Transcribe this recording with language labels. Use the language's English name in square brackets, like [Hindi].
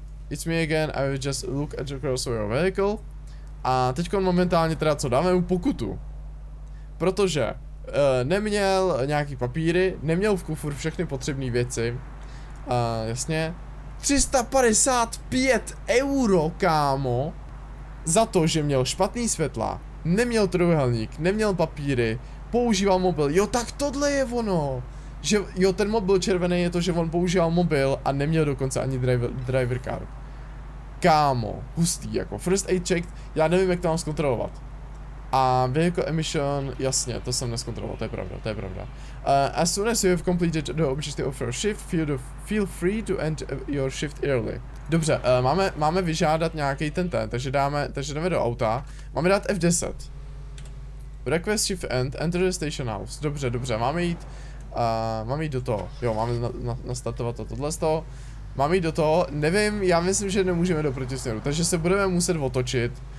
[English] It's me again, I will just look at across your vehicle. [Czech] A teďko momentálně teda co, dáme mu pokutu. Protože neměl nějaký papíry, neměl v kufru všechny potřebné věci. Jasně. 355 euro, kámo. Za to, že měl špatný světla, neměl trojúhelník, neměl papíry, používal mobil. Jo, tak tohle je ono. Že, jo, ten mobil červený je to, že on používal mobil a neměl dokonce ani driver car. Kámo, hustý jako. First aid check, já nevím, jak to mám zkontrolovat. A vehicle emission, jasně, to jsem neskontroloval, to je pravda, to je pravda. [English] As soon as you have completed the objective of your shift, feel free to end your shift early. [Czech] Dobře, máme vyžádat nějaký ten, takže jdeme do auta. Máme dát F10. [English] Request shift end, enter the station house. [Czech] Dobře, dobře, máme jít do toho. Jo, máme nastartovat to, tohle z toho. Máme jít do toho, nevím, já myslím, že nemůžeme do protisměru, takže se budeme muset otočit.